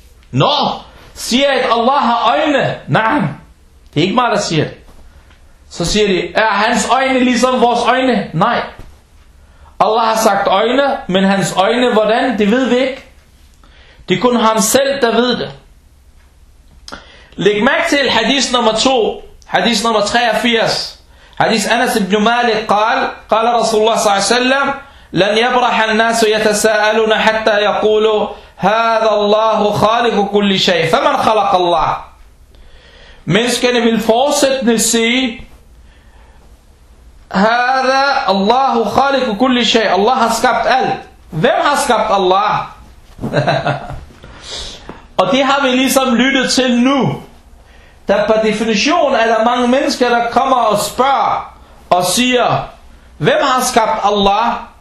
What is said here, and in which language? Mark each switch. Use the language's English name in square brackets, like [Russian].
[Danish] Nå, siger at Allah har øjne. Nej, det er ikke mig, der siger det. Så siger de, er hans øjne ligesom vores øjne? Nej. Allah har sagt øjne, men hans øjne, hvordan? Det ved vi ikke. Det er kun ham selv, der ved det. Læg mærke til hadith nummer 2, hadith nummer 83. [Arabic] Hadith Anas ibn Malik قال Rasulullah s.a.v. لن يبرح الناس يتساءلون حتى يقولوا هذا الله خالق كل شيء فمن خلق الله. [Danish] Menneskene vil fortsætte at sige, [Arabic] هذا الله خالق كل شيء. [Danish] Allah har skabt alt. Hvem har skabt Allah? Og det har vi ligesom lyttet til nu. Der på definition er der mange mennesker, der kommer og spørger og siger, hvem har skabt Allah?